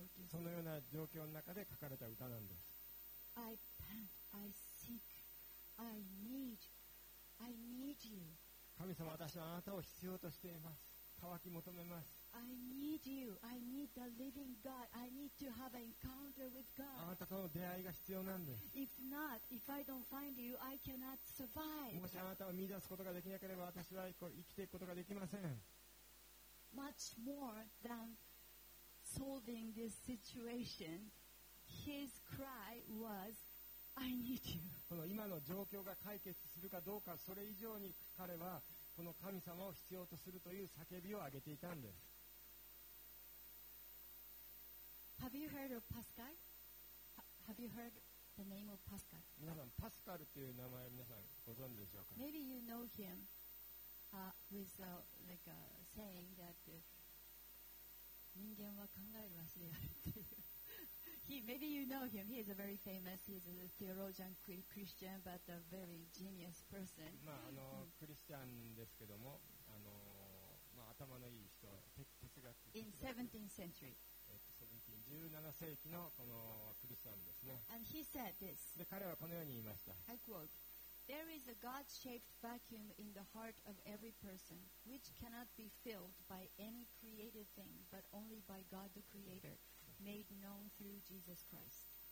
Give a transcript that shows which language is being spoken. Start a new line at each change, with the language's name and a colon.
Japanese: そのような状況の中で書かれた歌なんです。
English: I pant, I seek, I need, I need you.
Japanese: 神様、私はあなたを必要としています。渇き求めます。
English: I need you. I need the living God. I need to have an encounter with God.
Japanese: あなたとの出会いが必要なんです。
English: If not, if I don't find you, I cannot survive.
Japanese: もしあなたを見出すことができなければ、私は生きていくことができません。
English: Much more than solving this situation, his cry was, I need you.
Japanese: この今の状況が解決するかどうか、それ以上に彼はこの神様を必要とするという叫びを上げていたんです。
English: Have you heard of Pascal? Have you heard the name of Pascal?
Japanese: 皆さん、パスカルという名前皆さんご存知でしょうか。
English: Maybe you know him with a, like a saying that
Japanese: 人間は考える足であるっていう。
English: Maybe you know him. He is a very famous. He is a theologian, Christian, but a very genius person.
Japanese: まあ、クリスチャンですけども、まあ、頭のいい人、哲学。
English: In 17th century.
Japanese: 17世紀のこのクリスチャンですね。
English: And he said this.
Japanese: で、彼はこのように言いました。
English: I quote, There is a God-shaped vacuum in the heart of every person, which cannot be filled by any created thing, but only by God the Creator, made known through Jesus Christ.